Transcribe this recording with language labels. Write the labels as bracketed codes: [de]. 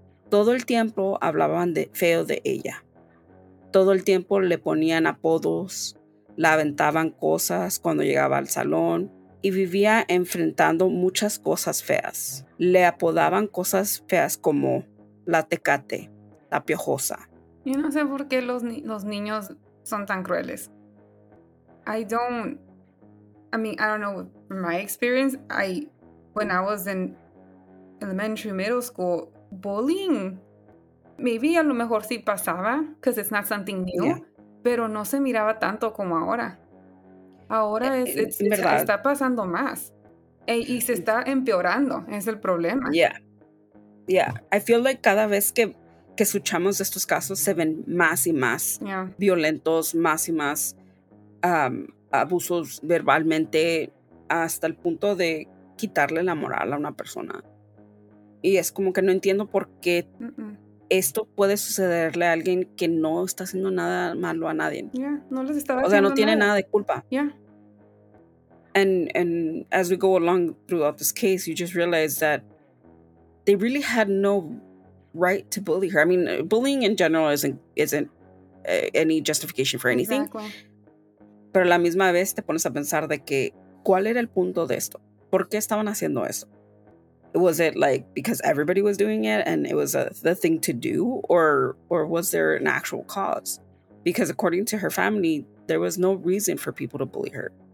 [es] Todo el tiempo hablaban de feo de ella. Todo el tiempo le ponían apodos, la aventaban cosas cuando llegaba al salón y vivía enfrentando muchas cosas feas. Le apodaban cosas feas como la tecate, la piojosa. Yo no sé por qué los niños son tan crueles. [en] I don't know, from my experience, when I was in elementary, middle school, bullying, maybe [es] a lo mejor sí pasaba, [en] because it's not something new, [es] pero no se miraba tanto como ahora. Ahora está pasando más. Y se está empeorando, es el problema. [en] Yeah. I feel like [es] cada vez que escuchamos estos casos, se ven más y más violentos, más y más abusos verbalmente, hasta el punto de quitarle la moral a una persona. Y es como que no entiendo por qué esto puede sucederle a alguien que no está haciendo nada malo a nadie. No les estaba haciendo nada. O sea, no tiene nada de culpa. [en] And as we go along throughout this case, you just realize that they really had no right to bully her. I mean, bullying in general isn't any justification for anything. Exactly. [es] Pero la misma vez te pones a pensar de que, ¿cuál era el punto de esto? ¿Por qué estaban haciendo eso? [en] Was it like because everybody was doing it and it was the thing to do? Or was there an actual cause? Because according to her family, there was no reason for people to bully her.